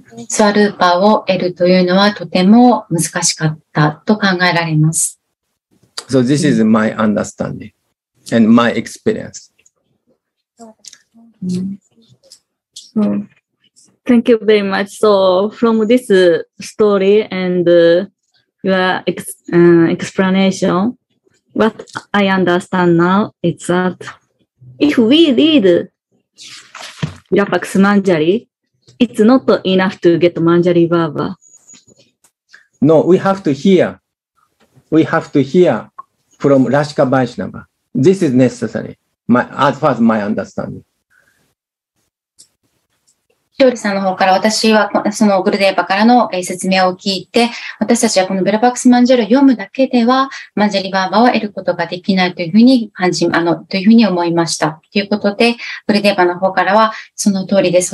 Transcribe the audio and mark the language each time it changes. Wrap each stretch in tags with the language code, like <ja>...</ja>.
<ja>スワルーパーを得るというのはとても難しかったと考えられます。</ja> <en>So this is my understanding and my experience. Thank you very much. So from this story and your explanation, what I understand now is that if we read Virapaksa Manjari,It's not enough to get Manjari Baba. No, we have to hear. We have to hear from Rashika Vaishnava. This is necessary, as far as my understanding.</en> <ja>ショールさんの方から私はそのグルデーバからの説明を聞いて、私たちはこのベラバックスマンジャリを読むだけでは、マンジャリバーバを得ることができないというふうに感じ、というふうに思いました。ということで、グルデーバの方からは、その通りです。</ja>